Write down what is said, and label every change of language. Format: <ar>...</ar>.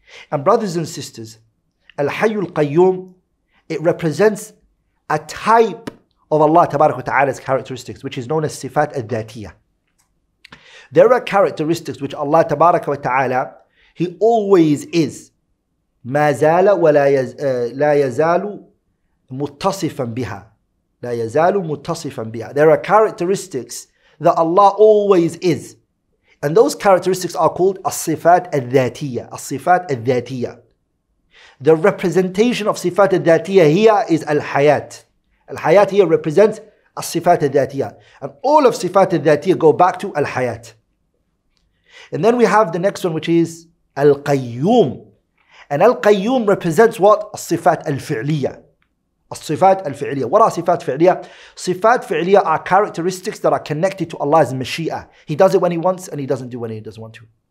<en>And brothers and sisters, al-hayyul qayyum, it represents a type of Allah tabarak wa ta'ala's characteristics, which is known as sifat al-dhatiyah. There are characteristics which Allah tabarak wa ta'ala, he always is.</en> <ar>ما زال ولا لا يزال متصفا بها. لا يزال متصفا بها.</ar> <en>There are characteristics that Allah always is. And those characteristics are called الصفات الذاتية. الصفات الذاتية. The representation of صفات الذاتية here is الحياة. الحياة here represents الصفات الذاتية. And all of صفات الذاتية go back to الحياة. And then we have the next one, which is Al-Qayyum. And Al-Qayyum represents what? As-sifat al-fi'liyya. As-sifat al-fi'liyya. What are sifat fi'liyya? Sifat fi'liyya are characteristics that are connected to Allah's mashi'ah. He does it when he wants and he doesn't do when he doesn't want to.</en>